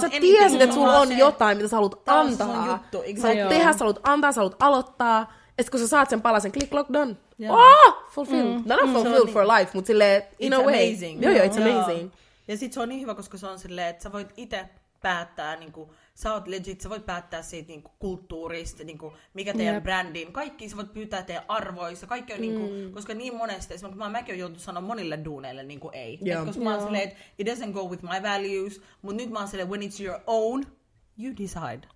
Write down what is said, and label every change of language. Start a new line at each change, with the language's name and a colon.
Finnish: Sä tiesit, että sulla on jotain, mitä sä haluat antaa. Tämä on sun juttu. Sä haluat tehdä, sä haluat antaa, sä haluat aloittaa. Et kun sä saat sen palasen,
English: click, lock, done. Yeah. Oh, fulfilled. Not fulfilled for life,
Finnish: mutta silleen,
English: in a way. It's amazing.
Finnish: Ja sit se on niin hyvä, koska se on silleen, että sä voit ite päättää, niin kuin, sä oot legit, sä voit päättää siitä niin kuin, kulttuurista, niin kuin, mikä teidän brändiin, kaikki sä voit pyytää teidän arvoista, kaikki on niin kuin, koska niin monesti, esimerkiksi mäkin on joutunut sanoa monille duuneille niin kuin ei, et, koska mä oon silleen, että
English: it doesn't go with my values,
Finnish: mutta nyt mä oon silleen,
English: when it's your own, you decide.